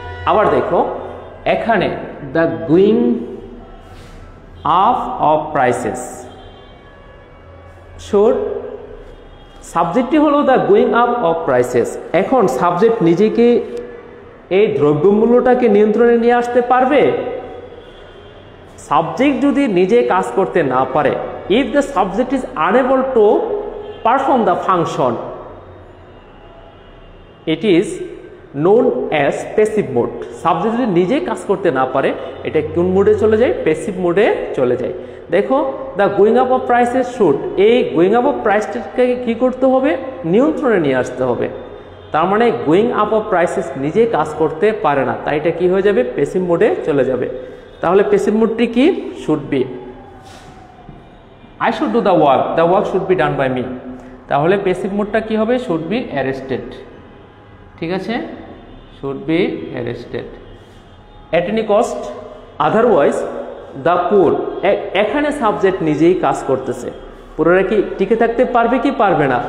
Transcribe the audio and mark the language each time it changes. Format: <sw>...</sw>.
<bn>আবার দেখো এখানে</bn> <en>the going half of prices should,</en> <bn>সাবজেক্টটি হলো the going up of prices, এখন সাবজেক্ট নিজেকে এই দ্রব্যমূল্যটাকে নিয়ন্ত্রণে নিয়ে আসতে পারবে, সাবজেক্ট যদি নিজে কাজ করতে না পারে,</bn> <en>If the subject is unable to perform the function. It is known as passive mode.</en> <bn>Subject যদি নিজে কাজ করতে না পারে এটা কোন মোডে চলে যায়? Passive mode এ চলে যায়। দেখো</bn> <en>the going up of prices should,</en> <bn>এই গোয়িং আপ অফ প্রাইসটাকে কী করতে হবে? নিয়ন্ত্রণে নিয়ে আসতে হবে। তার মানে গোয়িং আপ অফ প্রাইসেস নিজে কাজ করতে পারে না, তাই এটা কী হয়ে যাবে? Passive mode এ চলে যাবে। তাহলে Passive mode টি কি?</bn> <en>Should be, I should do the work should be done by me.</en> <bn>তাহলে Passive mode টা কী হবে?</bn> <en>Should be arrested.</en> <bn>ঠিক আছে,</bn> <en>should be arrested at any cost, otherwise the poor,</en> <bn>এখানে সাবজেক্ট নিজেই কাজ করতেছে, পুরোটা কি টিকে থাকতে পারবে কি পারবে না?</bn>